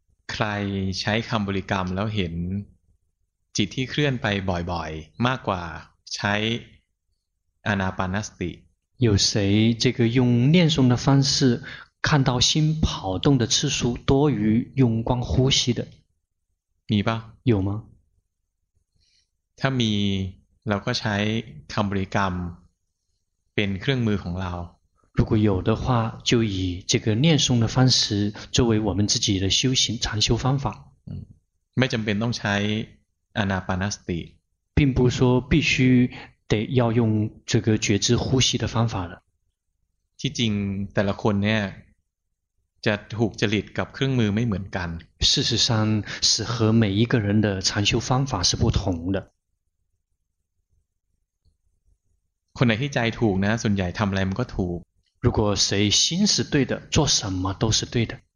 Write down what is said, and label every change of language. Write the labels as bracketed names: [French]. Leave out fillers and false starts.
[Thai] ใครใช้คำบริกรรมแล้วเห็นจิตที่เคลื่อนไปบ่อยๆมากกว่าใช้อานาปานสติ [Chinese] 有谁这个用念诵的方式看到心跑动的次数多于用光呼吸的 [Thai] มีป่ะ [Chinese] 有吗 [Thai] ถ้ามีเราก็ใช้คำบริกรรมเป็นเครื่องมือของเรา [Chinese] 如果有的话就以这个念诵的方式作为我们自己的修行禅修方法 [Thai] ไม่จำเป็นต้องใช้อานาปานสติ [Chinese] 并不说必须得要用这个觉知呼吸的方法了 [Thai] ที่จริงแต่ละคนเนี่ยจะถูกจริตกับเครื่องมือไม่เหมือนกัน [Chinese] 事实上适合每一个人的禅修方法是不同的 [Thai] คนไหนที่ใจถูกนะส่วนใหญ่ทำอะไรมันก็ถูก [Chinese] 如果谁心是对的做什么都是对的